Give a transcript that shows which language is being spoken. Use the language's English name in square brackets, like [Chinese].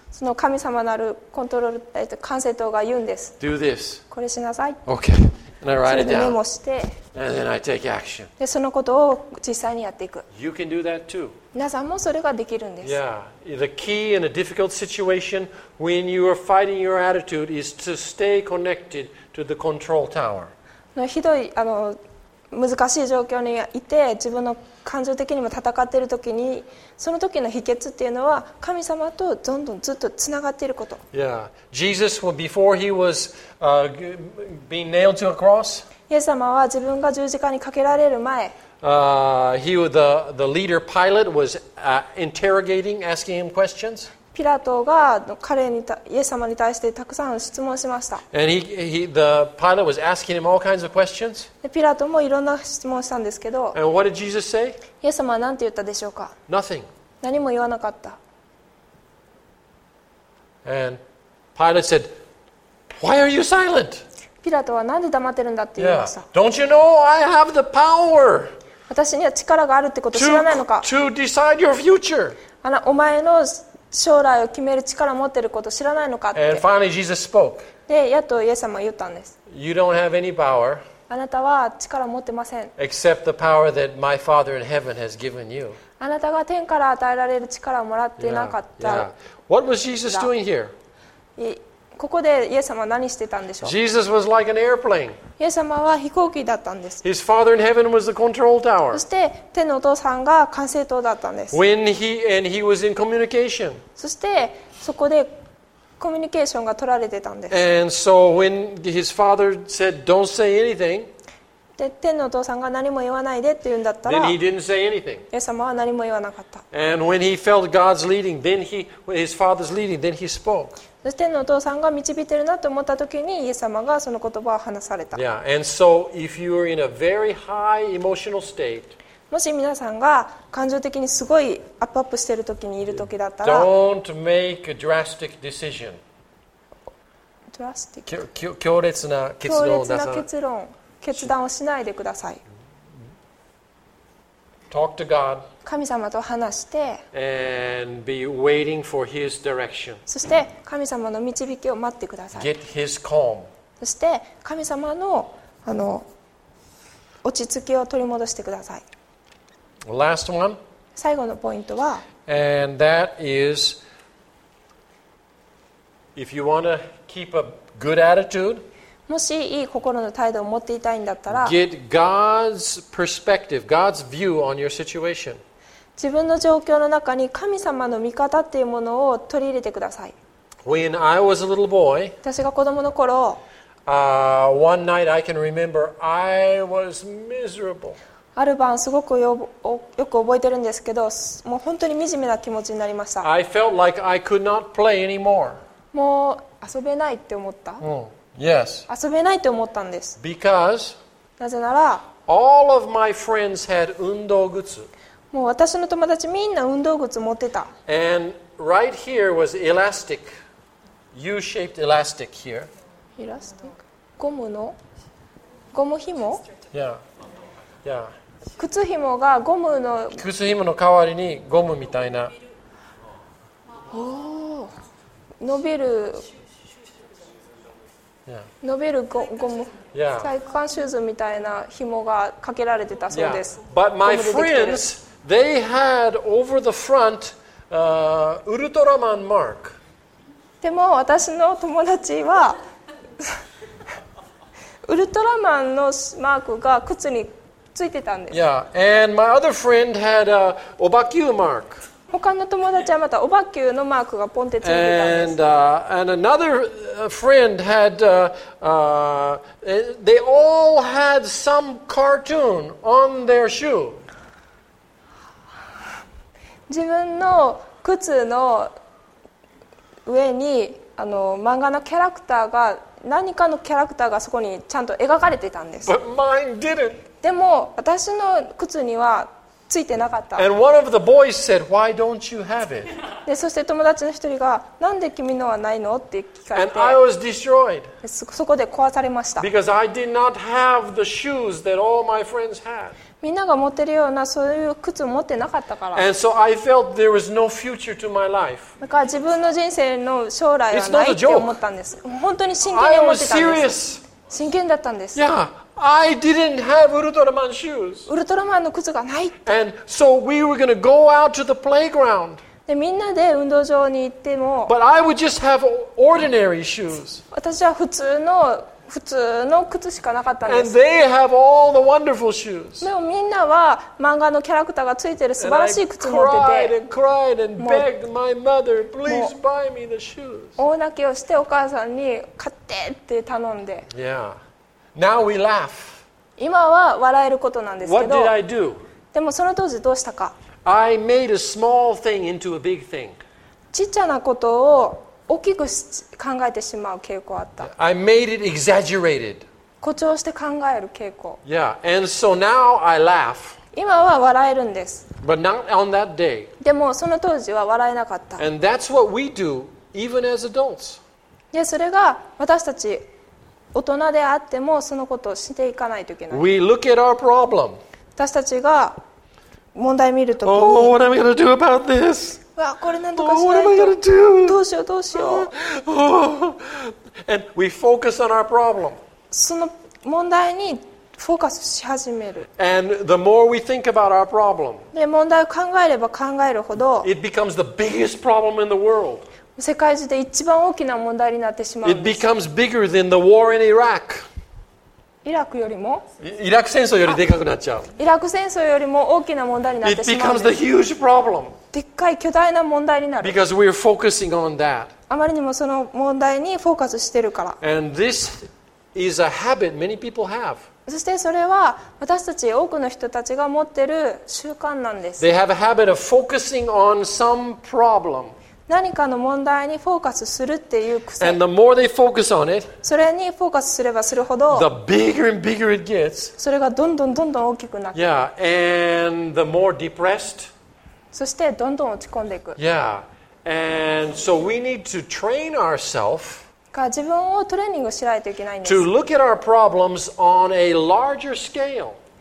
[Japanese] その神様なるコントロール管制塔が言うんです。 [English] Do this. [Japanese] これしなさい。 [English] Okay. And I write it down. [Japanese] メモして。 [English] And then I take action. [Japanese] でそのことを実際にやっていく。 [English] You can do that too. [Japanese] 皆さんもそれができるんです。 [English] Yeah. The key in a difficult situation when you are fighting your attitude is to stay connected to the control tower. [Japanese] ひどい難しい状況にいて自分の感情的にも戦っている時にその時の秘訣っていうのは神様とどんどんずっとつながっていること。 [English] Yeah. Jesus, before he was, being nailed to a cross, [Japanese] イエス様は自分が十字架にかけられる前、 [English] the leader Pilate was, interrogating, asking him questions. [Japanese] ピラトが彼にイエス様に対してたくさん質問しました。 [English] Pilate was asking him all kinds of questions. [Japanese] ピラトもいろんな質問したんですけど。 [English] And what did Jesus say? [Japanese] イエス様は何て言ったでしょうか。 [English] Nothing. [Japanese] 何も言わなかった。 [English] And Pilate said, "Why are you silent?" [Japanese] ピラトはなんで黙ってるんだって言いました。 [English] Yeah. Don't you know I have the power? [Japanese] 私には力があるってこと知らないのか。 [English] To decide your future. [Japanese] お前の将来を決める力を持っていることを知らないのかって。 [English] And finally Jesus spoke. [Japanese] で、やっとイエス様は言ったんです。 [English] You don't have any power. [Japanese] あなたは力を持ってません。 [English] Except the power that my Father in heaven has given you. [Japanese] あなたが天から与えられる力をもらってなかった。 [English] Yeah, yeah. What was Jesus doing here? [Japanese] ここでイエス様は何してたんでしょう? [English] Jesus was like an airplane. [Japanese] イエス様は飛行機だったんです。 [English] His Father in heaven was the control tower. [Japanese] そして天のお父さんが管制塔だったんです。 [English] When he and he was in communication. [Japanese] そしてそこでコミュニケーションが取られてたんです。 [English] And so when his father said, "Don't say anything." [Japanese] で天のお父さんが何も言わないでって言うんだったら、 [English] then he didn't say anything. [Japanese] イエス様は何も言わなかった。 [English] And when he felt God's leading, then he, his father's leading, then he spoke. [Japanese] 天のお父さんが導いてるなと思った時にイエス様がその言葉を話された。 [English] Yeah. And so if you are in a very high emotional state, [Japanese] もし皆さんが感情的にすごいアップアップしてる時にいる時だったら、 [English] Don't make a drastic decision. Drastic. [Japanese] 強烈な結論を出さない。強烈な結論、決断をしないでください。 [English] Talk to God. [Japanese] 神様と話して [English] and be waiting for his direction. [Japanese] そして神様の導きを待ってください。 [English] Get his calm. [Japanese] そして神様の落ち着きを取り戻してください。 [English] Last one. [Japanese] 最後のポイントは [English] And that is if you want to keep a good attitude, [Japanese] もしいい心の態度を持っていたいんだったら、 [English] Get God's perspective, God's view on your situation. [Japanese] 自分の状況の中に神様の見方っていうものを取り入れてください。 [English] When I was a little boy, [Japanese] 私が子供の頃、 [English] one night I can remember I was miserable. [Japanese] ある晩すごくよく覚えてるんですけど、もう本当に惨めな気持ちになりました。 [English] I felt like I could not play anymore. [Japanese] もう遊べないって思った。うん。 [English] Yes. [Japanese] 遊べないと思ったんです。 [English] Because [Japanese] なぜなら [English] all of my friends had 運動靴。 [Japanese] もう私の友達みんな運動靴持ってた。 [English] And right here was elastic, U-shaped elastic here. [Japanese] Elastic? ゴムの？ゴム紐？ [English] Yeah. Yeah. [Japanese] 靴紐がゴムの靴紐の代わりにゴムみたいな。おお、伸びる。 [English] Yeah. [Japanese] 伸びるゴム、 [English] yeah. [Japanese] 体幹シューズみたいな紐がかけられてたそうです。 [English] Yeah. But my friends, they had over the front, Ultraman mark. [Japanese] でも私の友達はウルトラマンのマークが靴についてたんです。 [English] Yeah. And my other friend had a Obakyu mark. [Japanese] 他の友達はまたオバキューのマークがポンってついてたんです。 [English] And another friend had, they all had some cartoon on their shoe. [Japanese] 自分の靴の上に漫画のキャラクターが何かのキャラクターがそこにちゃんと描かれてたんです。 [English] But mine didn't. [Japanese] でも私の靴にはついてなかった。 [English] And one of the boys said, "Why don't you have it?" [Japanese] で、そして友達の一人が、なんで君のはないの？って聞かれて。 [English] And I was destroyed. [Japanese] そこで壊されました。 [English] Because I did not have the shoes that all my friends had. [Japanese] みんなが持ってるようなそういう靴を持ってなかったから。 [English] And so I felt there was no future to my life. [Japanese] だから自分の人生の将来はないって思ったんです。本当に真剣に思ってたんです。 [English] I was serious. [Japanese] 真剣だったんです。 [English] Yeah, I didn't have Ultraman shoes. [Japanese] ウルトラマンの靴がないって。 [English] And so we were going to go out to the playground. [Japanese] でみんなで運動場に行っても。 [English] But I would just have ordinary shoes. [Japanese] 私は普通の靴しかなかったんです。 [English] And they have all the wonderful shoes. [Japanese] でもみんなは漫画のキャラクターがついてる素晴らしい靴を持ってて、 [English] cried and cried and begged my mother, please buy me the shoes. [Japanese] 大泣きをしてお母さんに買ってって頼んで。 [English] Yeah. Now we laugh. [Japanese] 今は笑えることなんですけど。 [English] What did I do? [Japanese] でもその当時どうしたか。 [English] I made a small thing into a big thing. [Japanese] ちっちゃなことを大きく考えてしまう傾向あった。 [English] I made it exaggerated. [Japanese] 誇張して考える傾向。 [English] Yeah, and so now I laugh. [Japanese] 今は笑えるんです。 [English] But not on that day. [Japanese] でもその当時は笑えなかった。 [English] And that's what we do, even as adults. [Japanese] で、それが私たち大人であってもそのことをしていかないといけない。 [English] We look at our problem. [Japanese] 私たちが問題見るとこう。 [English] Oh, what am I gonna do about this? [Japanese] わこれ何とかしないと。 [English] Oh, what am I gonna do? [Japanese] どうしようどうしよう。 [English] And we focus on our problem. [Japanese] その問題にフォーカスし始める。 [English] And the more we think about our problem, [Japanese] で問題を考えれば考えるほど、 [English] it becomes the biggest problem in the world. [Japanese] 世界中で一番大きな問題になってしまうんです。 [English] It becomes bigger than the war in Iraq. [Japanese] イラクよりも、イラク戦争よりでかくなっちゃう。イラク戦争よりも大きな問題になってしまう。 [English] It becomes the huge problem. [Japanese] でっかい巨大な問題になる。 [English] Because we're focusing on that. [Japanese] あまりにもその問題にフォーカスしてるから。 [English] And this is a habit many people have. [Japanese] そしてそれは私たち多くの人たちが持ってる習慣なんです。 [English] They have a habit of focusing on some problem. [Japanese] 何かの問題にフォーカスするっていう癖。 [English] And the more they focus on it, [Japanese] それにフォーカスすればするほど、 [English] the bigger and bigger it gets, [Japanese] それがどんどんどんどん大きくなって、 [English] yeah, and the more depressed, [Japanese] そしてどんどん落ち込んでいく。 [English] Yeah. And so we need to train ourselves, [Japanese] 自分をトレーニングしないといけないんです。 [English] To look at our problems on a larger scale.